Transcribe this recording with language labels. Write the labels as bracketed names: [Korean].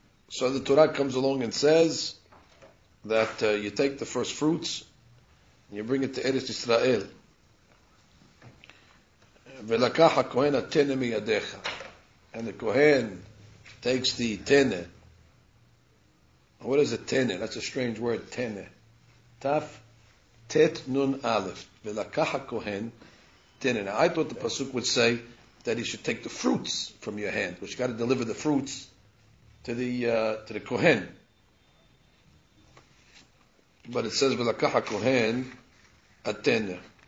[English] So the Torah comes along and says that you take the first fruits and you bring it to Eretz Yisrael. [Hebrew] ולקח הכהן התנה מידיך. [English] And the Kohen takes the tene. What is a tene? That's a strange word, tene. Taf, tet nun aleph. [Hebrew] ולקח הכהן tene. [English] Now I thought the Pasuk would say that he should take the fruits from your hand, which you got to deliver the fruits to the Kohen. But it says, [Hebrew] ולקח הכהן התנה.